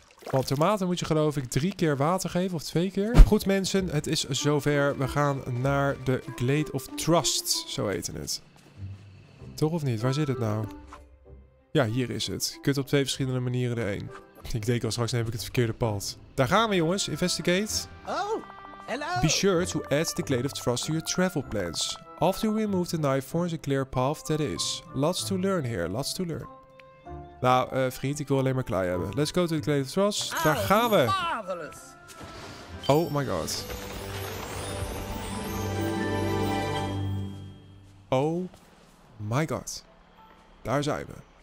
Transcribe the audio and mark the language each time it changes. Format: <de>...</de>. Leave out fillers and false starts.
<nl>Want tomaten moet je geloof ik 3 keer water geven. Of 2 keer. Goed mensen, het is zover. We gaan naar de Glade of Trust. Zo heet het. Toch of niet? Waar zit het nou? Ja, hier is het. Je kunt op 2 verschillende manieren erheen. Ik denk al straks neem ik het verkeerde pad. Daar gaan we jongens. Investigate.</nl> <en>Oh, hello. Be sure to add the Glade of Trust to your travel plans. After you remove the knife, forms a clear path that is. Lots to learn here. Lots to learn.</en> <nl>Nou, vriend, ik wil alleen maar klei hebben.</nl> <en>Let's go to the Glade of Trust.</en> <nl>Daar gaan we.</nl> <en>Marvelous. Oh my god. Oh my god.</en> <nl>Daar zijn we.</nl>